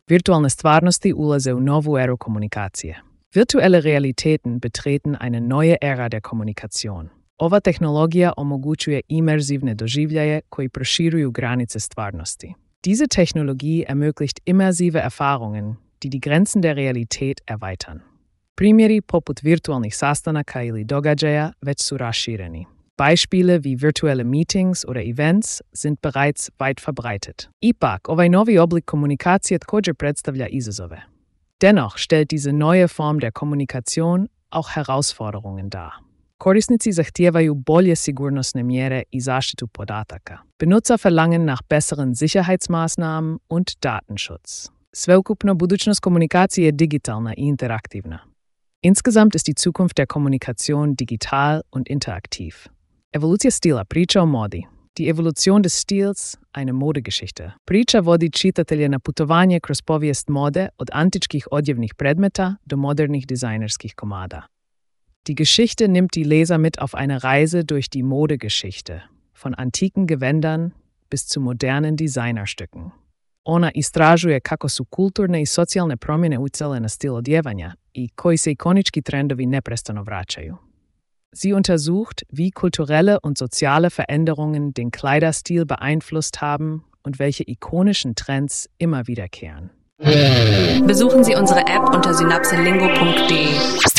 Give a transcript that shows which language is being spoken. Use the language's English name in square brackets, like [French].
[Croatian] Virtuelle stvarnosti ulaze u novu eru komunikacije. [German] Virtuelle Realitäten betreten eine neue Ära der Kommunikation. [Croatian] Ova tehnologija omogućuje imersivne doživljaje koji proširuju granice stvarnosti. [German] Diese Technologie ermöglicht immersive Erfahrungen, die die Grenzen der Realität erweitern. [Croatian] Primjeri poput virtualnih sastanaka ili događaja već su rašireni. [German] Beispiele wie virtuelle Meetings oder Events sind bereits weit verbreitet. [Croatian] Ipak, ovaj novi oblik komunikacije također predstavlja izazove. [German] Dennoch stellt diese neue Form der Kommunikation auch Herausforderungen dar. [Croatian] Korisnici zahtijevaju bolje sigurnosne mjere i zaštitu podataka. [German] Benutzer verlangen nach besseren Sicherheitsmaßnahmen und Datenschutz. [Croatian] Sveukupno budućnost komunikacije je digitalna i interaktivna. [German] Insgesamt ist die Zukunft der Kommunikation digital und interaktiv. [Croatian] Evolucija stila priča o modi. [German] Die Evolution des Stils, eine Modegeschichte. [Croatian] Priča vodi čitatelje na putovanje kroz povijest mode od antičkih odjevnih predmeta do modernih dizajnerskih komada. [German] Die Geschichte nimmt die Leser mit auf eine Reise durch die Modegeschichte, von antiken Gewändern bis zu modernen Designerstücken. [Croatian] Ona istražuje kako su kulturne i socijalne promjene utjecale na stil odjevanja i koji se ikonički trendovi neprestano vraćaju. [German] Sie untersucht, wie kulturelle und soziale Veränderungen den Kleiderstil beeinflusst haben und welche ikonischen Trends immer wiederkehren. Besuchen Sie unsere App unter synapselingo.de.